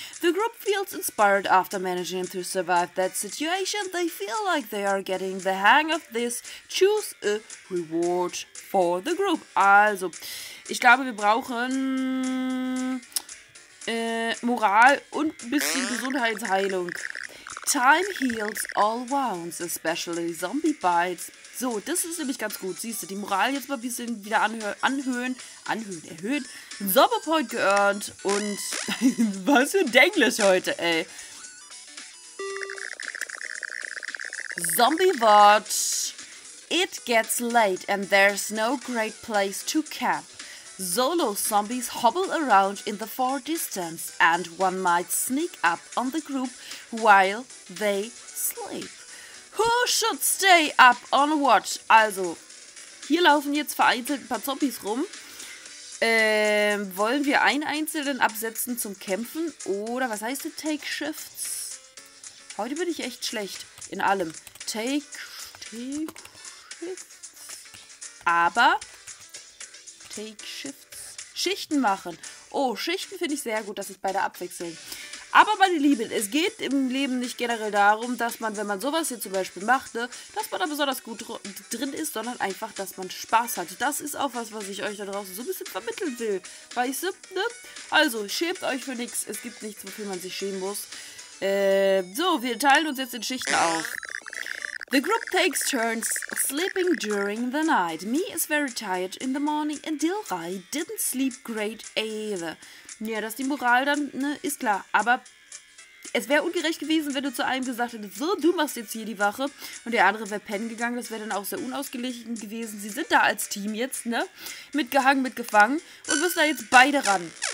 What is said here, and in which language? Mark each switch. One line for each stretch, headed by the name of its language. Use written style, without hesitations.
English: The group feels inspired after managing to survive that situation. They feel like they are getting the hang of this. Choose a reward for the group.
German: Also, ich glaube, wir brauchen Moral und ein bisschen Gesundheitsheilung.
English: Time heals all wounds, especially zombie bites.
German: So, das ist nämlich ganz gut. Siehst du, die Moral jetzt mal ein bisschen wieder erhöhen. Zombie Point geearnt und was für ein Denglisch heute, ey.
English: Zombie Watch. It gets late and there's no great place to camp. Solo zombies hobble around in the far distance and one might sneak up on the group while they sleep. Who should stay up on watch?
German: Also, hier laufen jetzt vereinzelt ein paar Zombies rum. Wollen wir einen einzelnen absetzen zum Kämpfen? Oder was heißt das?
English: Take shifts?
German: Heute bin ich echt schlecht in allem.
English: Take shifts. Aber... Take Shifts.
German: Schichten machen. Oh, Schichten finde ich sehr gut, dass sich beide abwechseln. Aber meine Lieben, es geht im Leben nicht generell darum, dass man, wenn man sowas hier zum Beispiel macht, ne, dass man da besonders gut drin ist, sondern einfach, dass man Spaß hat. Das ist auch was ich euch da draußen so ein bisschen vermitteln will. Weißt du, ne? Also, schämt euch für nichts. Es gibt nichts, wofür man sich schämen muss. So, wir teilen uns jetzt in Schichten auf.
English: The group takes turns sleeping during the night. Me is very tired in the morning and Dilrai didn't sleep great either.
German: Ja, das ist die Moral dann, ne, ist klar. Aber es wäre ungerecht gewesen, wenn du zu einem gesagt hättest, so, du machst jetzt hier die Wache und der andere wäre pennen gegangen. Das wäre dann auch sehr unausgeglichen gewesen. Sie sind da als Team jetzt, ne, mitgehangen, mitgefangen und müssen da jetzt beide ran.